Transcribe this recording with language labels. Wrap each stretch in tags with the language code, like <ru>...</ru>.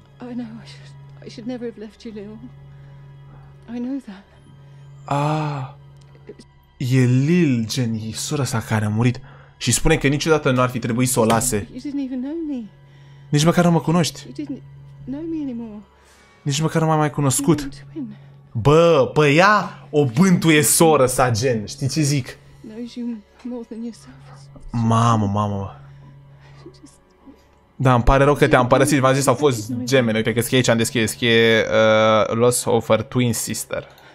<en>I know I should never have left you, Leon. I know that.</en> <ro>E Lil Jenny, sora sa care a murit și spune că niciodată nu ar fi trebuit să o lase.</ro> <en>You didn't even know me.</en> <ro>Nici măcar nu mă cunoști.</ro> <en>You didn't know me anymore.</en> <ro>Nici măcar nu m-ai mai cunoscut. Bă, pe ea o bântuie sora sa, gen, știi ce zic?</ro> <en>Knows you more than yourself.</en> <ro>Mamă, mamă. Da, îmi pare rău că te-am părăsit. V-am zis, au fost gemene. Uite că scrie aici, am deschis. Scrie</ro> <en>Lost of her twin sister.</en>